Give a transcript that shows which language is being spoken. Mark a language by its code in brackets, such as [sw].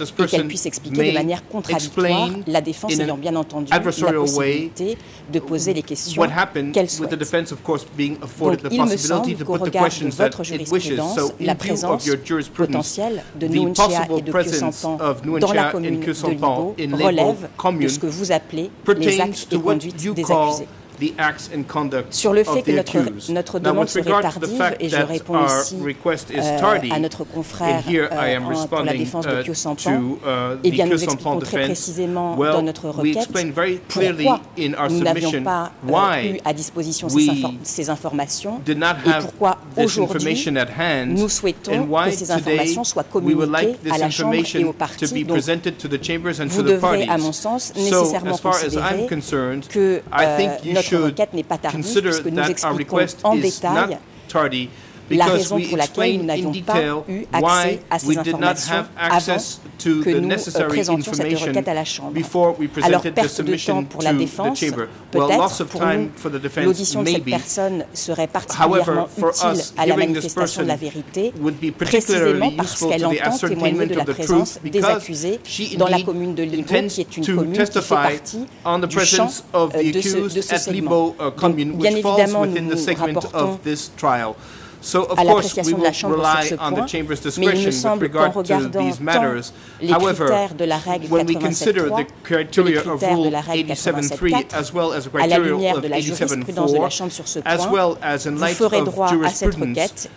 [fr] et qu'elle puisse expliquer de manière contradictoire la défense ayant bien entendu la possibilité de poser les questions qu'elle souhaite. [en] Defense, course, [fr] donc, il me semble qu'au regard de votre jurisprudence, la présence potentielle de Nguyen Chia et de Khieu Sampan dans la commune de Libo relève de ce que vous appelez [en] pertains to what you call the acts and conduct of the accused. Now, with regard to the fact that our request is tardy, and here I am responding to the Khieu Sampan defense, well, we explain very clearly in our submission why we did not have this information at hand, and why today we would like this information to be presented to the chambers and to the parties. So, as far as I'm concerned, I think you should [fr] requête n'est pas tardive puisque nous expliquons en détail [en] tardy, [fr] la raison pour laquelle nous n'avions pas eu accès à ces informations avant que nous présentions cette requête à la Chambre. Alors, perte de temps pour la défense, peut-être pour nous, l'audition de cette personne serait particulièrement utile à la manifestation de la vérité, précisément parce qu'elle entend témoigner de la présence des accusés dans la commune de Libo, qui est une commune qui fait partie du champ de ce segment. Donc, bien évidemment, nous rapportons [en] So of course we will rely on the chamber's discretion with regard to these matters. However, when we consider the criteria of rule 87.3 as well as the criteria of 87.4, as well as in light of jurisprudence,